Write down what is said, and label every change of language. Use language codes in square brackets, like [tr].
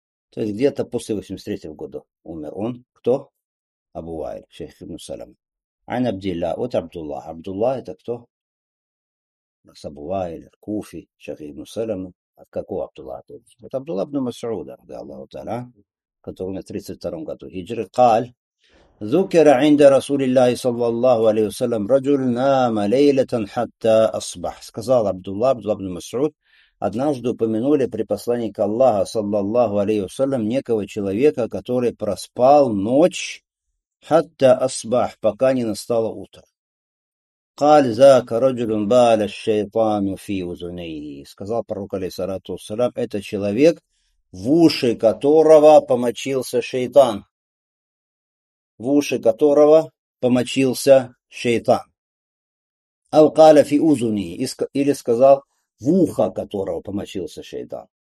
[ru] То есть где-то после 83 года умер он. Кто? Абу Ваиль, шейх ибн Салам. Айн Абдилла, вот Абдулла. Абдулла это кто? Нас Абу Ваиль, Куфи, шейх ибн Салам. От какого Абдулла? От Абдулла ибн Масауда, да, Аллаху Та'ала. Который умер в 32 году хиджры, [ar] قال ذكر عند رسول الله صلى الله عليه وسلم رجل نام ليلة حتى أصبح. [ru] Сказал Абдулла, Абдулла ибн Масуд, однажды упомянули при посланнике Аллаха, صلى الله عليه وسلم, некого человека, который проспал ночь, [ar] حتى أصبح, [ru] пока не настало утро. [ar] قال ذاك رجل بال الشيطان في أذنيه. [ru] Сказал пророк, алейхиссалату вассалям, это человек, в уши которого помочился шейтан. В уши которого помочился шейтан. [ar] Алкаля фи узуни. [ru] Или сказал, в ухо которого помочился шейтан.